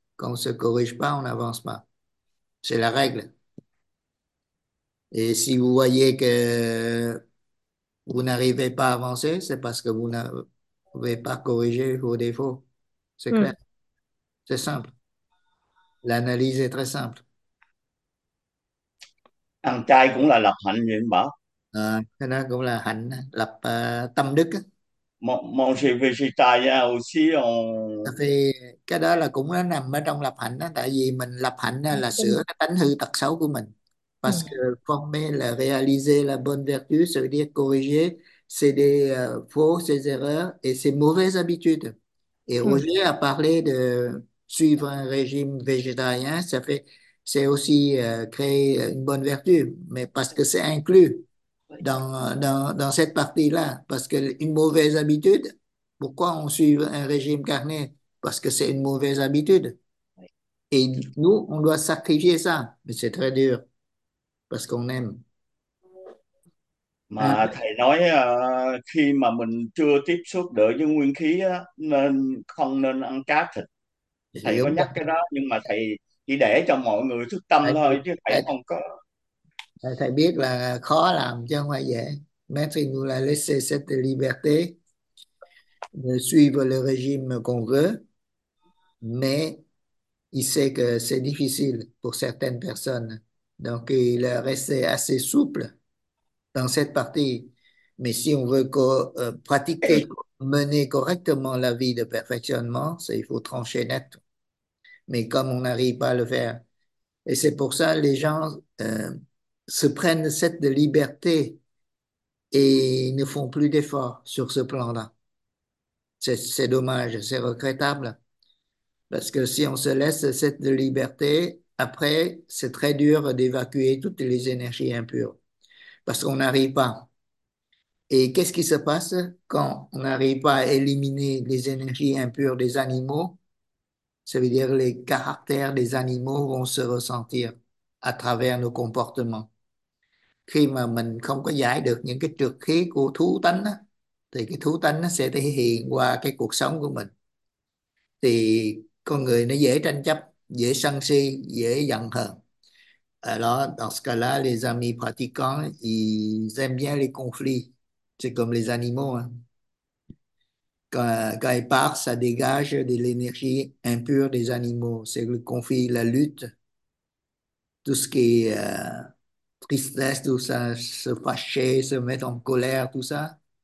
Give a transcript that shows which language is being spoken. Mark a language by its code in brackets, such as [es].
[vi] Còn [fr] on se corrige pas, on n'avance pas. C'est la règle. Et si vous voyez que vous n'arrivez pas à avancer, c'est parce que vous n'avez pas corrigé vos défauts. C'est clair. C'est simple. L'analyse est très simple. [vi] Ăn chay cũng là lập hạnh như em bảo. À, cái đó cũng là hạnh lập tâm đức. Mon si vi si tai aussi Thì cái đó là cũng nó nằm ở trong lập hạnh đó, tại vì mình lập hạnh là sửa cái tánh hư tật xấu của mình. [fr] Parce que former là réaliser la bonne vertu, ça veut dire corriger ses défauts, ses erreurs et ses mauvaises habitudes. Et Roger a parlé de suivre un régime végétarien, ça fait, c'est aussi créer une bonne vertu, mais parce que c'est inclus dans cette partie-là. Parce qu'une mauvaise habitude, pourquoi on suit un régime carné? Parce que c'est une mauvaise habitude. Et nous, on doit sacrifier ça, mais c'est très dur, parce qu'on aime. Hein? [vi] Mà thầy nói khi mà mình chưa tiếp xúc được với nguyên khí á, nên không nên ăn cá thịt. Thì Thầy có nhắc cái đó, nhưng mà thầy chỉ để cho mọi người thức tâm tại thôi, chứ thầy tại không có. thầy biết là khó làm chứ không phải dễ. [fr] Maître nous l'a laissé cette liberté de suivre le régime qu'on veut, mais il sait que c'est difficile pour certaines personnes. Donc il est resté assez souple dans cette partie. Mais si on veut pratiquer, mener correctement la vie de perfectionnement, il faut trancher net. Mais comme on n'arrive pas à le faire, et c'est pour ça les gens se prennent cette liberté et ne font plus d'efforts sur ce plan-là. C'est dommage, c'est regrettable. Parce que si on se laisse cette liberté, après, c'est très dur d'évacuer toutes les énergies impures. Parce qu'on n'arrive pas. Et qu'est-ce qui se passe quand on n'arrive pas à éliminer les énergies impures des animaux? Ça veut dire les caractères des animaux vont se ressentir à travers nos comportements. [vi] Khi mà mình không có giải được những cái trược khí của thú tánh á, thì cái thú tánh nó sẽ thể hiện qua cái cuộc sống của mình. Thì con người nó dễ tranh chấp, dễ sân si, dễ giận hờn. [fr] Alors, dans ce cas-là, les amis pratiquants, ils aiment bien les conflits. C'est comme les animaux, hein. Quand il part, ça dégage de l'énergie impure des animaux. C'est le conflit, la lutte, tout ce qui est tristesse, tout ça, se fâcher, se mettre en colère, tout ça.